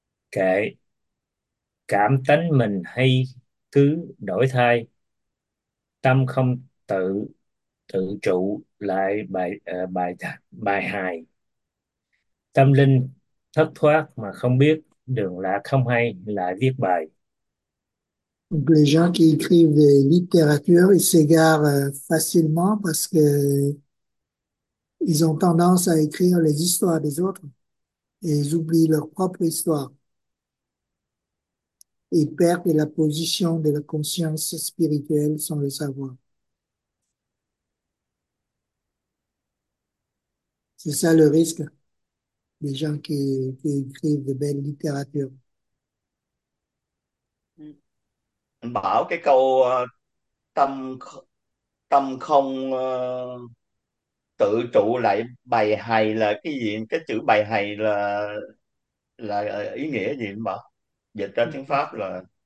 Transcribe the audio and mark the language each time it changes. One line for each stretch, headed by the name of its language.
Vietnamese: Kệ: Cảm tánh mình hay cứ đổi thay, tâm không tự tự trụ lại bài hài, tâm linh thất thoát mà không biết đường lạc không hay lại viết bài.
French: Donc les gens qui écrivent des littératures, ils s'égarent facilement parce que ils ont tendance à écrire les histoires des autres et ils oublient leur propre histoire. Ils perdent la position de la conscience spirituelle sans le savoir. C'est ça le risque des gens qui écrivent de belles littératures.
Vietnamese: Bảo cái câu tâm tâm không tự trụ lại bày hài là cái gì, cái chữ bày hài là ý nghĩa gì mà dịch ra tiếng Pháp là